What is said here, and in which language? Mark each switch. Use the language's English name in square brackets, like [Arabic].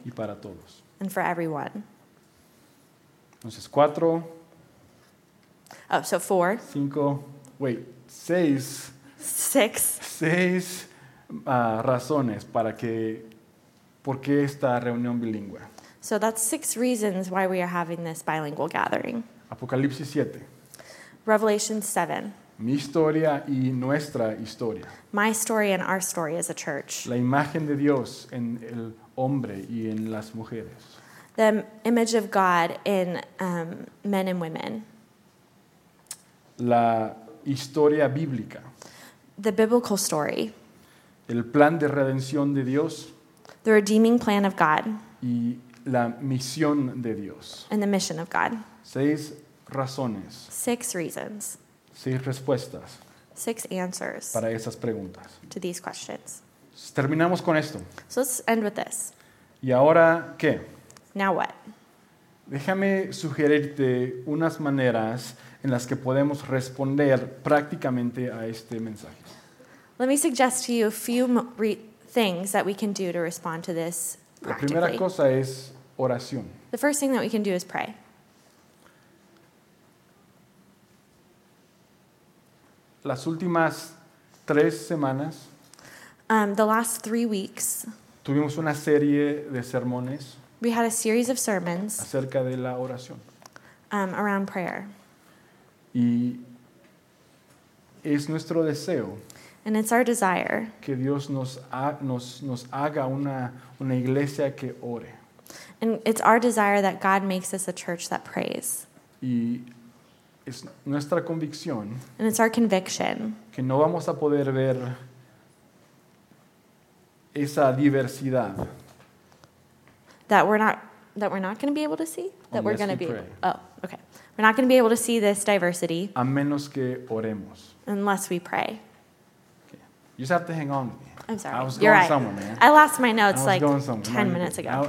[Spanish] Y para todos. [English] And for everyone. [Spanish] Entonces, cuatro. [English] Oh, so four. [Spanish] Cinco. [English] Wait, [Spanish] seis. [English] Six. [Spanish] Seis razones para que, por qué esta reunión bilingüe. [English] So that's six reasons why we are having this bilingual gathering. [Spanish] Apocalipsis 7. [English] Revelation 7. [Spanish] Mi historia y nuestra historia. [English] My story and our story as a church. [Spanish] La imagen de Dios en el hombre y en las mujeres. [English] The image of God in men and women. [Spanish] La historia bíblica. [English] The biblical story. [Spanish] El plan de redención de Dios. [English] The redeeming plan of God. [Spanish] Y la misión de Dios. [English] And the mission of God. [Spanish] Seis razones. [English] Six reasons. [Spanish] Seis respuestas. [English] Six answers. [Spanish] Para esas preguntas. [English] To these questions. [Spanish] Terminamos con esto. [English] So let's end with this. [Spanish] ¿Y ahora qué? [English] Now what? [Spanish] Déjame sugerirte unas maneras en las que podemos responder prácticamente a este mensaje. [English] Let me suggest to you a few things that we can do to respond to this practically. [Spanish] La primera cosa es oración. [English] The first thing that we can do is pray. [Spanish] Las últimas tres semanas, [English] the last 3 weeks, [Spanish] tuvimos una serie de sermones, [English] we had a series of sermons, [Spanish] acerca de la oración, [English] around prayer. [Spanish] Y es nuestro deseo, [English] and it's our desire, [Spanish] que Dios nos haga una iglesia que ore. [English] And it's our desire that God makes us a church that prays. [Spanish] Y es nuestra convicción, [English] and it's our conviction, [Spanish] que no vamos a poder ver esa diversidad, [English] that we're not going to be able to see, that we're going to be, oh, okay, we're not going to be able to see this diversity, [Spanish] a menos que oremos, [English] unless we pray. Okay. You just have to hang on with me. I'm sorry. I was You're going right. somewhere, man. I lost my notes like 10 no, minutes ago.